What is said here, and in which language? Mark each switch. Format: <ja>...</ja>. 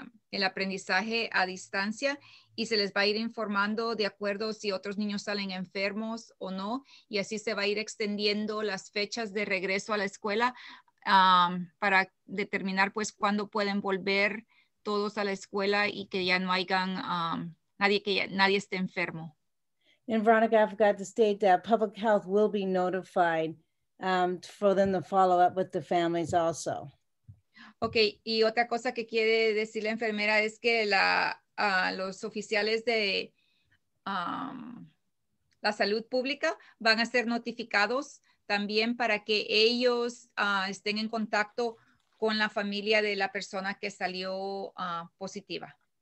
<es>el aprendizaje a distancia, y se les va a ir informando de acuerdo si otros niños salen enfermos o no, y así se va a ir extendiendo las fechas de regreso a la escuela para determinar pues cuándo pueden volver todos a la escuela y que ya no hayan nadie esté enfermo.</es> <en>And Veronica, I forgot to state that public health will be notified for them to follow up with the families also.</en> <es>Okay, y otra cosa que quiere decir la enfermera es que los oficiales de la salud pública van a ser notificados también para que ellos estén en contacto con la familia de la persona que salió positiva.</es>